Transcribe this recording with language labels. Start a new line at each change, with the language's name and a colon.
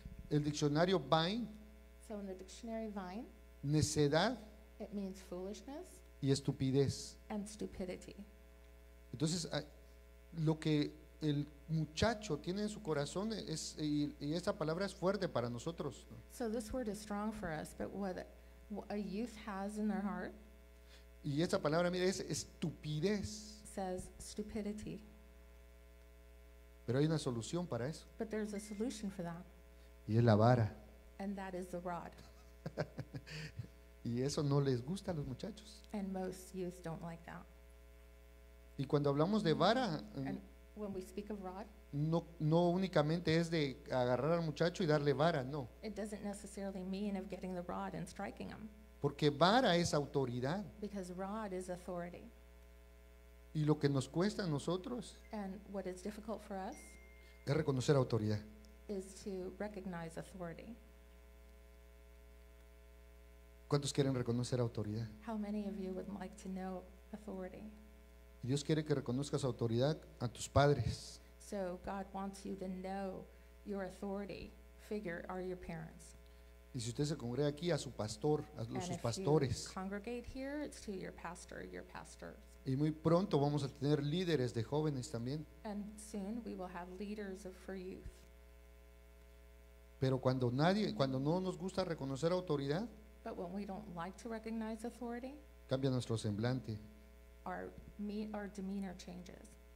Spanish: El diccionario Vine.
English: So in the dictionary Vine.
Spanish: Necedad.
English: It means foolishness.
Spanish: Y estupidez.
English: And stupidity.
Spanish: Entonces, lo que el muchacho tiene en su corazón es, y esa palabra es fuerte para nosotros.
English: So this word is strong for us, but what a youth has in their heart.
Spanish: Y esa palabra, mira, es estupidez.
English: Says stupidity.
Spanish: Pero hay una solución para eso.
English: But there's a solution for that.
Spanish: Y es la vara.
English: And that is the rod.
Spanish: Y eso no les gusta a los muchachos.
English: And most youth don't like that.
Spanish: Y cuando hablamos de vara,
English: when we speak of rod,
Spanish: no únicamente es de agarrar al muchacho y darle vara, no.
English: It doesn't necessarily mean of getting the rod and striking him.
Spanish: Porque vara es autoridad.
English: Because rod is authority.
Spanish: Y lo que nos cuesta a nosotros,
English: and what is difficult for us,
Spanish: es reconocer autoridad.
English: Is to recognize authority.
Spanish: ¿Cuántos quieren reconocer autoridad?
English: How many of you would like to know authority?
Spanish: Dios quiere que reconozcas autoridad a tus padres.
English: So God wants you to know your authority figure are your parents.
Spanish: Y si usted se congrega aquí a su pastor, a sus pastores.
English: And if you congregate here, it's to your pastor, your pastors.
Spanish: Y muy pronto vamos a tener líderes de jóvenes también.
English: And soon we will have leaders for youth.
Spanish: Pero cuando no nos gusta reconocer autoridad,
English: but when we don't like to recognize authority,
Spanish: cambia nuestro semblante.
English: Our demeanor changes.